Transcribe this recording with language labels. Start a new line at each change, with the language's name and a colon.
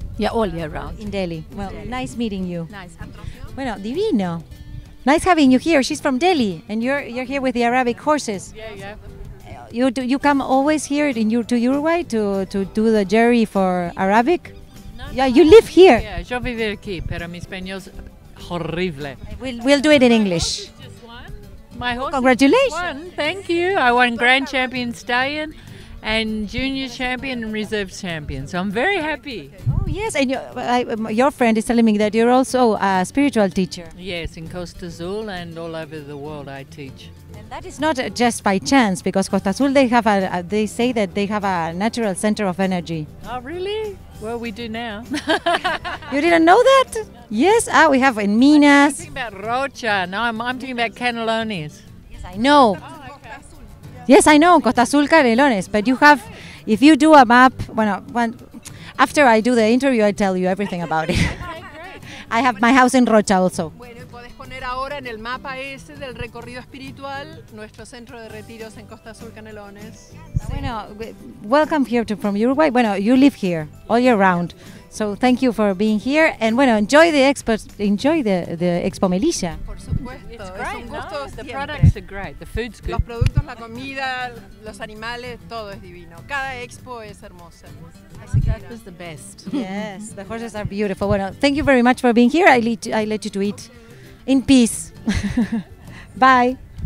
English: Yeah, all year round. In Delhi. Well, in Delhi. Nice meeting you. Nice.
Spanish: Bueno, divino.
English: Nice having you here. She's from Delhi, and you're here with the Arabic horses. Yeah. You come always here to Uruguay to do the jury for Arabic? No. Yeah, you live here.
Spanish: Yeah, yo vivo aquí, pero mi español es horrible.
English: We'll do it in English. My horse. Congratulations. Won. Thank you. I won Grand Champion Stallion, and Junior Champion and Reserve Champion. So I'm very happy. Yes, and your friend is telling me that you're also a spiritual teacher. Yes, in Costa Azul and all over the world I teach. And that is not just by chance, because Costa Azul, they say that they have a natural center of energy. Oh, really? Well, we do now. You didn't know that? Yes, we have in Minas. I'm talking about Rocha. No, I'm talking about Canelones. Yes, I know. Oh, okay. Yes, I know, Costa Azul, Canelones. But you have, if you do a map, after I do the interview, I tell you everything about it. I have my house in Rocha also.
Spanish: Bueno, puedes poner ahora en el mapa ese del recorrido espiritual nuestro centro de retiros en Costa Azul Canelones.
English: Bueno, welcome here from Uruguay. Bueno, you live here all year round, so thank you for being here. And bueno, enjoy the Expo Melilla.
Spanish: Por supuesto,
English: it's great.
Spanish: Es un gusto.
English: No, the products are great. The food's good.
Spanish: Los productos, la comida, los animales, todo es divino. Cada expo es hermosa.
English: That was the best. Yes, the horses are beautiful. Bueno, thank you very much for being here. I let you to eat in peace. Bye.